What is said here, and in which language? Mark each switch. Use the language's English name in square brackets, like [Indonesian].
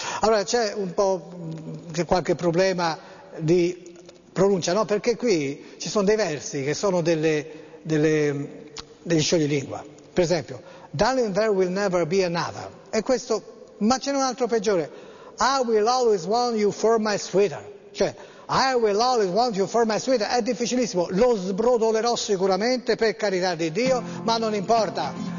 [Italian] Allora, c'è un po' qualche problema di pronuncia, no? Perché qui ci sono dei versi che sono degli scioglilingua. Per esempio, [English] darling, there will never be another. [Italian] E questo, ma c'è un altro peggiore. [English] I will always want you for my sweetheart. Cioè, I will always want you for my sweetheart. [Italian] È difficilissimo. Lo sbrodolerò sicuramente, per carità di Dio, ma non importa.